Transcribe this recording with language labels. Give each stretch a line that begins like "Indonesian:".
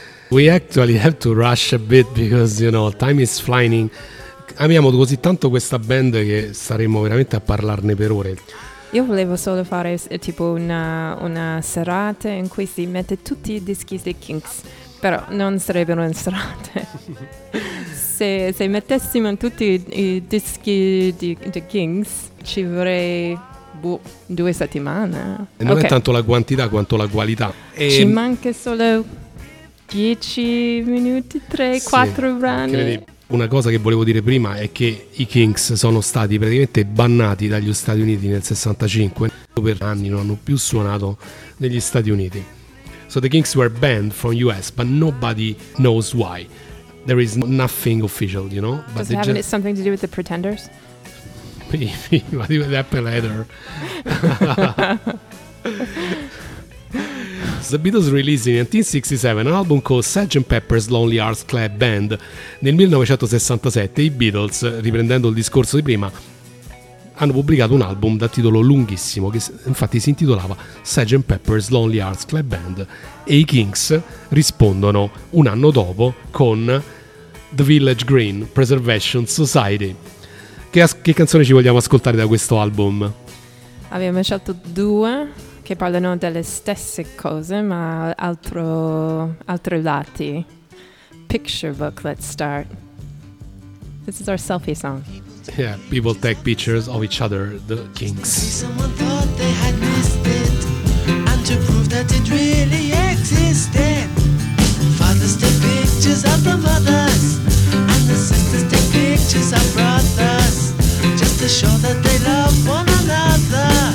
English: We actually have to rush a bit because, you know, time is flying.
Italian: Amiamo così tanto questa band che staremmo veramente a parlarne per ore. Io volevo solo fare tipo una serata in cui si mette tutti i dischi dei Kinks, però non sarebbero in serata. se mettessimo tutti i dischi di Kinks, ci vorrei... due settimane. E non okay. È tanto la quantità quanto la qualità. E ci manca solo 10 minuti, 3, sì, 4 brani. Credi, una cosa che volevo dire prima è che i Kinks sono stati praticamente bannati dagli Stati Uniti nel 65. Per anni non hanno più suonato negli Stati Uniti.
English: So the Kinks were banned from US, but nobody knows why. There is nothing official, you know? But does it have something to do with the Pretenders? Maybe, but even Apple either. The Beatles released in 1967 an album called Sgt. Pepper's Lonely Hearts Club Band.
Italian: Nel 1967 i Beatles, riprendendo il discorso di prima, hanno pubblicato un album dal titolo lunghissimo, che infatti si intitolava Sgt. Pepper's Lonely Hearts Club Band, e i Kinks rispondono un anno dopo con The Village Green Preservation Society. Che canzone ci vogliamo ascoltare da questo album? Abbiamo scelto due che parlano delle stesse cose, ma altri lati.
English: Picture Book, let's start. This is our selfie song. Yeah, people take pictures of each other, the Kinks. Someone thought they had missed it, and to prove that it really existed. Fathers take pictures of the mothers, and the sisters take pictures of brothers, to show that they love one another.